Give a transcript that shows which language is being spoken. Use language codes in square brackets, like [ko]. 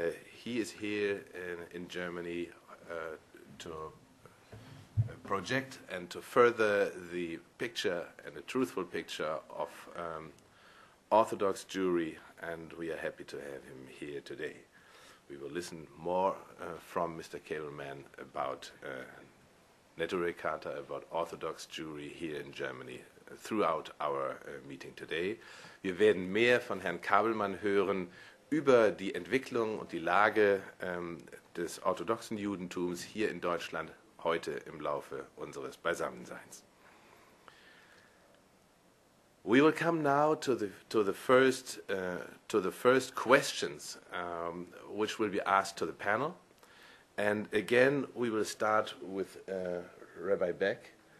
[en] He is here in Germany to project and to further the picture and a truthful picture of Orthodox Jewry, and we are happy to have him here today. We will listen more from Mr. Kabelmann about Naturia Karta, about Orthodox Jewry here in Germany throughout our meeting today. [de] Wir werden mehr von Herrn Kabelmann hören über die Entwicklung und die Lage des orthodoxen Judentums hier in Deutschland heute im Laufe unseres Beisammenseins. [en] We will come now to the first questions which will be asked to the panel. And again, we will start with Rabbi Beck.